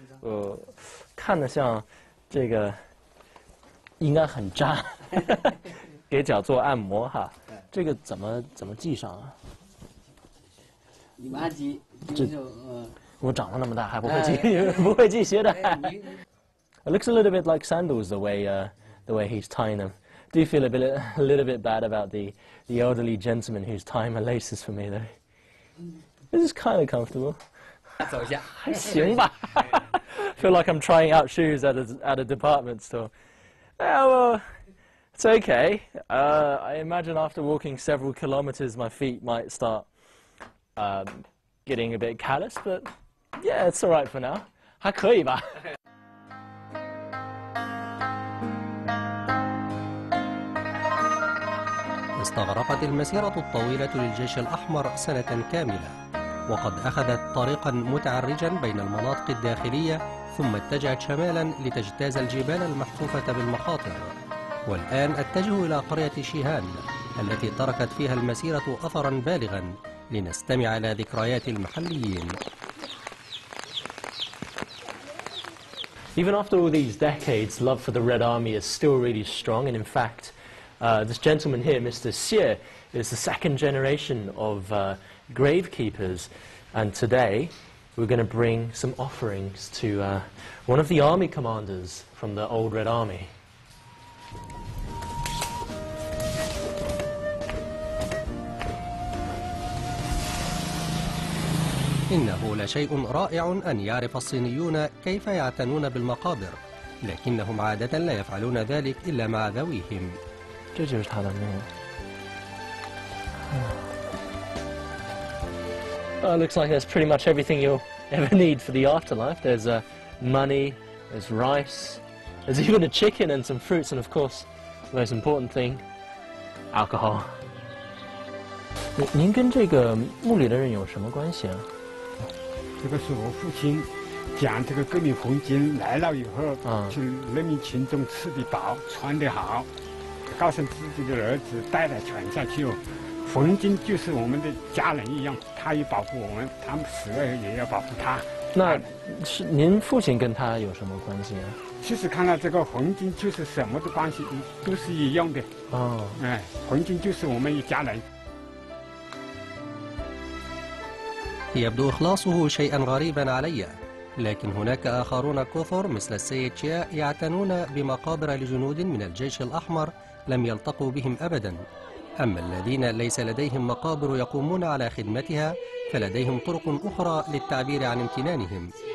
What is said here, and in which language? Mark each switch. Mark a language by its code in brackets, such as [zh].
[zh] 我看得像这个，应该很扎。给脚做按摩哈，这个怎么系上啊？你们按系，这我长了那么大还不会系，不会系鞋带。 [en] It looks a little bit like sandals the way he's tying them. Do you feel a little bit bad about the elderly gentleman who's tying my laces for me though? This is kind of comfortable. [zh] 走一下，还行吧。 [en] Feel like I'm trying out shoes at a department store. Yeah, well. It's okay. I imagine after walking several kilometers, my feet might start getting a bit callous, but yeah, it's all right for now. [zh] 还可以吧。 [ar] استغرقت المسيرة الطويلة للجيش الأحمر سنة كاملة، وقد أخذت طريقا متعرجا بين المناطق الداخلية، ثم اتجهت شمالا لتجتاز الجبال المحفوفة بالمخاطر. والآن أتجه إلى قرية شيهان التي تركت فيها المسيرة أثراً بالغاً لنستمع إلى ذكريات المحليين. [en] Even after all these decades, love for the Red Army is still really strong. And in fact, this gentleman here, Mr. Xie, is the second generation of gravekeepers. And today, we're going to bring some offerings to one of the army commanders from the old Red Army. [ar] إنه لشيء رائع أن يعرف الصينيون كيف يعتنون بالمقابر، لكنهم عادة لا يفعلون ذلك إلا مع ذويهم. [en] Looks like there's pretty much everything you'll ever need for the afterlife. There's money, there's rice, there's even a chicken and some fruits, and of course, the most important thing, alcohol. [zh] 您跟这个墓里的人有什么关系啊？这个是我父亲讲这个革命红军来了以后去人民群众吃得饱穿得好，告诉自己的儿子代代传下去，红军就是我们的家人一样，他也保护我们，他们死了也要保护他。那是您父亲跟他有什么关系啊？其实看到这个红军就是什么的关系都是一样的。哦，哎，红军就是我们一家人。 [ar] يبدو إخلاصه شيئا غريبا علي، لكن هناك آخرون كثر مثل السيد تشيا يعتنون بمقابر لجنود من الجيش الأحمر لم يلتقوا بهم أبدا. أما الذين ليس لديهم مقابر يقومون على خدمتها فلديهم طرق أخرى للتعبير عن امتنانهم.